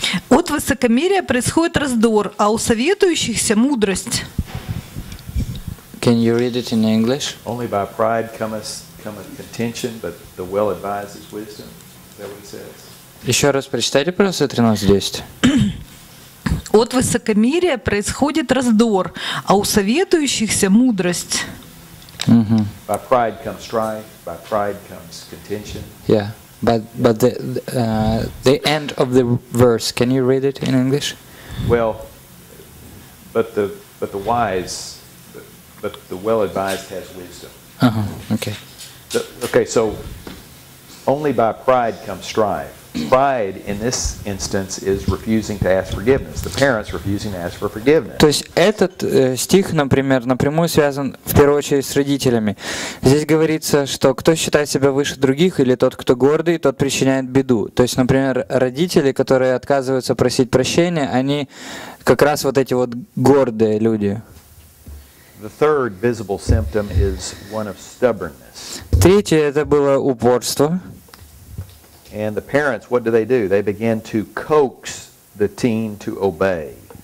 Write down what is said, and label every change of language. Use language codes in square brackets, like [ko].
[ru] От высокомерия происходит раздор, а у советующихся мудрость. [en] Can you read it in English? Only by pride cometh contention, but the well advised is wisdom. That's what it says. [ru] Еще раз прочитайте, пожалуйста, 13:10. От высокомерия происходит раздор, а у советующихся мудрость. [en] Mm-hmm. By pride comes strife, by pride comes contention. Yeah, but the end of the verse, can you read it in English? Well, but the well-advised has wisdom. Uh-huh, okay. So only by pride comes strife. Pride in this instance is refusing to ask forgiveness. The parents refusing to ask for forgiveness. [ru] То есть этот стих, например, напрямую связан в первую очередь с родителями. Здесь говорится, что кто считает себя выше других или тот, кто гордый, тот причиняет беду. То есть, например, родители, которые отказываются просить прощения, они как раз вот эти вот гордые люди. [en] The third visible symptom is one of stubbornness. [ru] Третье это было упорство. [en] And the parents, what do? They begin to coax the teen to obey.